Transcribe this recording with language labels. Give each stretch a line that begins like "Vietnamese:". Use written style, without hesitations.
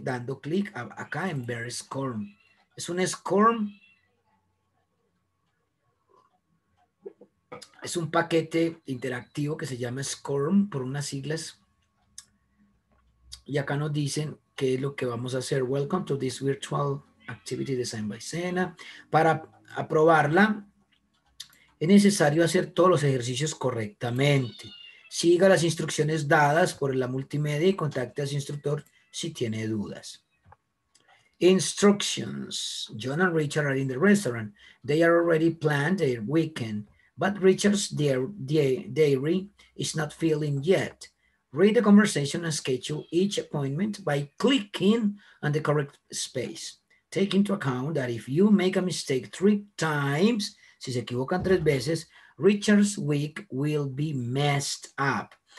Spanish: Dando clic acá en Ver SCORM. Es un SCORM. Es un paquete interactivo que se llama SCORM por unas siglas. Y acá nos dicen qué es lo que vamos a hacer.
English: Welcome to this virtual activity designed by Sena.
Spanish: Para aprobarla, es necesario hacer todos los ejercicios correctamente. Siga las instrucciones dadas por la multimedia y contacte a su instructor si tiene dudas.
English: Instructions. John and Richard are in the restaurant. They are already planned their weekend, but Richard's diary is not filling yet. Read the conversation and schedule each appointment by clicking on the correct space. Take into account that if you make a mistake three times,
Spanish: si se equivocan tres veces,
English: Richard's week will be messed up.